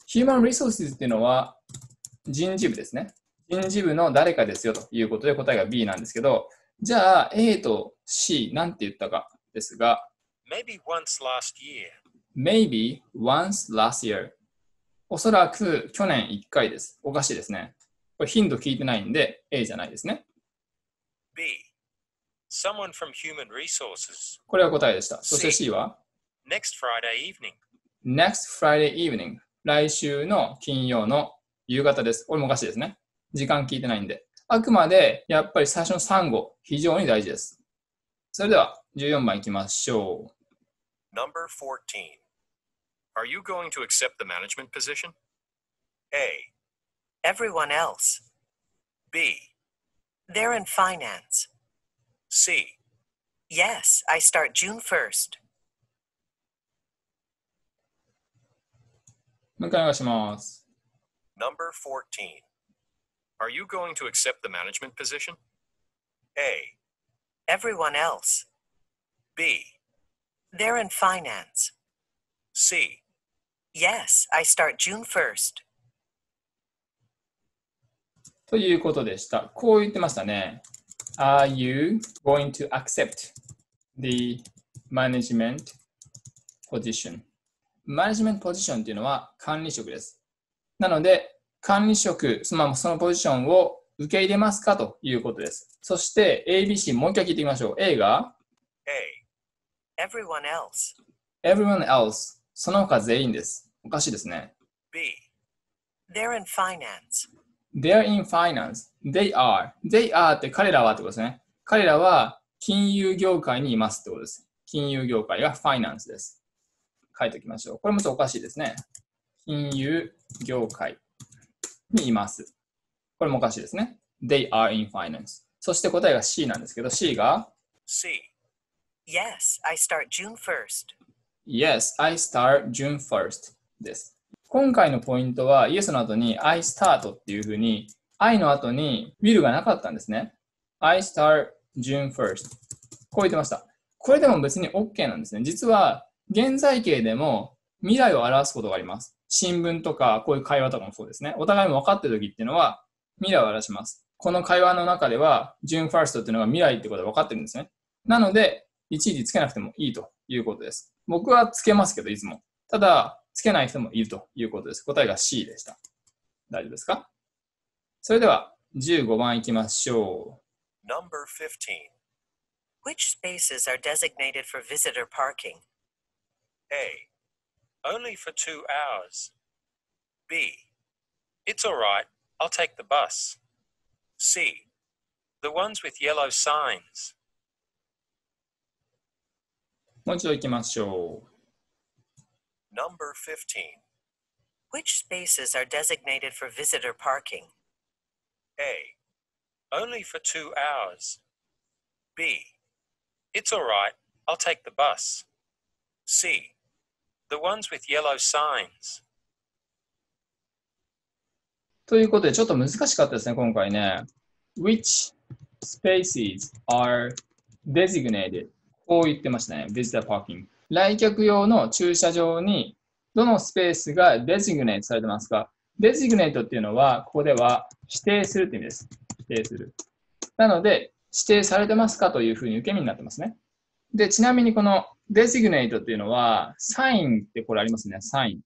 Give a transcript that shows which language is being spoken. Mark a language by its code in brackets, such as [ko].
[ja] Human Resources っていうのは人事部ですね。人事部の誰かですよということで、答えが B なんですけど、じゃあ、A と C、なんて言ったかですが、 [en] Maybe once last year. Maybe once last year。 [ja] おそらく去年1回です。おかしいですね。これ頻度聞いてないんで、A じゃないですね。 [en] B. Someone from human resources. [ja] これが答えでした。そして C [en] C. [ja] は、 [en] Next Friday evening. Next Friday evening。 [ja] 来週の金曜の夕方です。これもおかしいですね。時間聞いてないんで。あくまで、やっぱり最初の3語、非常に大事です。それでは、14番いきましょう。 [en] Number 14. Are you going to accept the management position? A. Everyone else. B. They're in finance. C. Yes, I start June 1st. [ja] もう一回お願いします。 [en] Number 14. Are you going to accept the management position? A. Everyone else. B. They're in finance. C. Yes, I start June 1st. [ja] ということでした。こう言ってましたね。 [en] Are you going to accept the management position? [ja] Management position というのは管理職です。なので、管理職、そのポジションを受け入れますかということです。そして ABC、もう一回聞いてみましょう。 A が [en] A. Everyone else. Everyone else. [ja] その他全員です。おかしいですね。 [en] B. They're in finance. They're in finance. They are. They are [ja] って彼らはってことですね。彼らは金融業界にいますってことです。金融業界は finance です。書いておきましょう。これもちょっとおかしいですね。金融業界にいます。これもおかしいですね。 [en] They are in finance. [ja] そして答えが C なんですけど、C が [en] C. Yes, I start June 1st. Yes, I start June 1st です。 [ja] 今回のポイントは、Yes の後に [en] I start [ja] っていうふうに、I の後に will がなかったんですね。 [en] I start June 1st。 [ja] こう言ってました。これでも別に OK なんですね。実は、現在形でも未来を表すことがあります。新聞とか、こういう会話とかもそうですね。お互いも分かってる時っていうのは、未来を表します。この会話の中では、June 1st っていうのが未来ってことが分かってるんですね。なので、いちいちつけなくてもいいということです。僕はつけますけど、いつも。ただ、つけない人もいるということです。答えが C でした。大丈夫ですか？それでは15番いきましょう。 [en] Number 15. Which spaces are designated for visitor parking? A. Only for 2 hours. B. It's alright, I'll take the bus. C. The ones with yellow signs. [ja] もう一度いきましょう。 [en] Number 15. Which spaces are designated for visitor parking? A. Only for 2 hours. B. It's all right, I'll take the bus. C. The ones with yellow signs. [ja] ということで、ちょっと難しかったですね、今回ね。 [en] Which spaces are designated? [ja] こう言ってましたね、 [en] visitor parking。 [ja] 来客用の駐車場にどのスペースがデジグネートされてますか？デジグネートっていうのは、ここでは指定するって意味です。指定する。なので、指定されてますかというふうに受け身になってますね。で、ちなみにこのデジグネートっていうのは、サインってこれありますね。サイン。